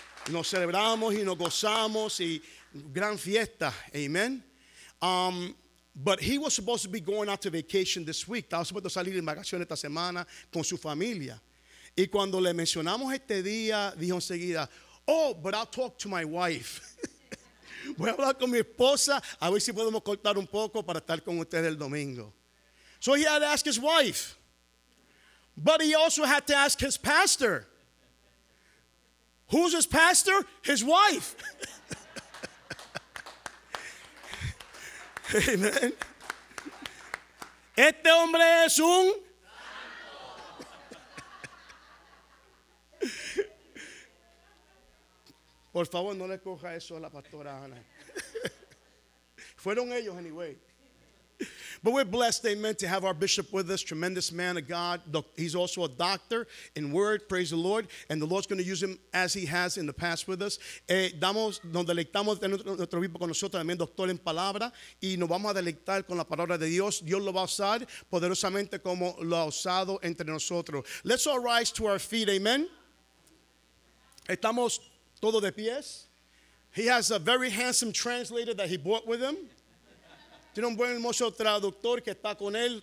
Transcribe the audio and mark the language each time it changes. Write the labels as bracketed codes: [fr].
[es] Nos celebramos y nos gozamos y gran fiesta. Amen. [en] But he was supposed to be going out to vacation this week. [es] Estaba supuesto salir en vacaciones esta semana con su familia. Y cuando le mencionamos este día, dijo enseguida, [en] oh, but I'll talk to my wife. [es] Voy a hablar con mi esposa, a ver si podemos cortar un poco para estar con ustedes el domingo. [en] So he had to ask his wife. But he also had to ask his pastor. Who's his pastor? His wife. [es] Amen. Este hombre es un... Por favor, no le coja eso a la pastora Ana. Fueron ellos anyway. [en] But we're blessed, amen, to have our bishop with us, tremendous man of God. He's also a doctor in word, praise the Lord. And the Lord's going to use him as he has in the past with us. [es] Damos, nos deleitamos de nuestro obispo con nosotros, también doctor en palabra. Y nos vamos a deleitar con la palabra de Dios. Dios lo va a usar poderosamente como lo ha usado entre nosotros. [en] Let's all rise to our feet, [es] amen. Estamos todos de pies. [en] He has a very handsome translator that he brought with him. [es] Tiene un buen hermoso traductor que está con él.